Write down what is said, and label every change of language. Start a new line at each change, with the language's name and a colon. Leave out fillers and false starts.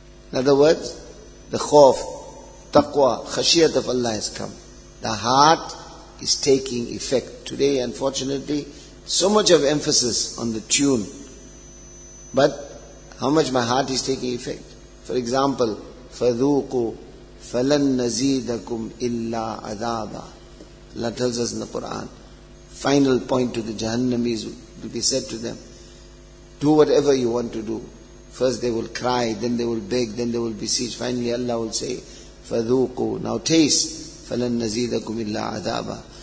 English: In other words, the khawf, taqwa, khashiyat of Allah has come. The heart is taking effect. Today, unfortunately, so much of emphasis on the tune. But how much my heart is taking effect? For example,
Arabic: فَذُوقُوا فَلَن نَزِيدَكُمْ إِلَّا عَذَابًا.
English: Allah tells us in the Quran, final point to the Jahannamis will be said to them, do whatever you want to do. First they will cry, then they will beg, then they will beseech. Finally Allah will say, فَذُوقُوا, now taste,
Arabic: فَلَن نَزِيدَكُمْ إِلَّا عَذَابًا.